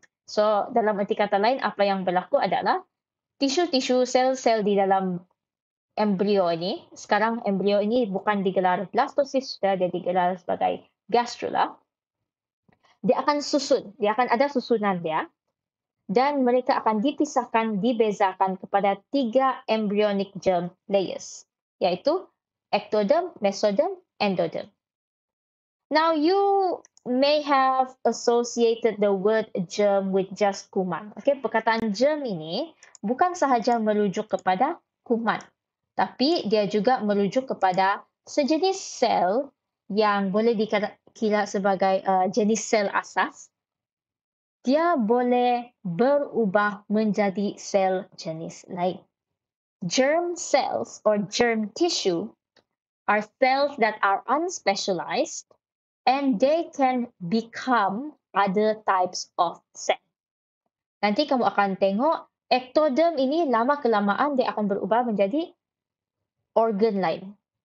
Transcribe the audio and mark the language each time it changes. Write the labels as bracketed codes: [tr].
[ms] So, dalam erti kata lain, apa yang berlaku adalah tisu-tisu sel-sel di dalam embryo ini, sekarang embryo ini bukan digelar blastocyst, sudah dia digelar sebagai gastrula, dia akan susun, dia akan ada susunan dia, dan mereka akan dipisahkan, dibezakan kepada tiga embryonic germ layers, yaitu ectoderm, mesoderm, endoderm. [en] Now, you may have associated the word germ with just kuman. [ms] Okay, perkataan germ ini bukan sahaja merujuk kepada kuman, tapi dia juga merujuk kepada sejenis sel yang boleh dikira sebagai jenis sel asas, dia boleh berubah menjadi sel jenis lain. [en] Germ cells or germ tissue are cells that are unspecialized and they can become other types of cell. [ms] Nanti kamu akan tengok ectoderm ini lama-kelamaan dia akan berubah menjadi organ lain.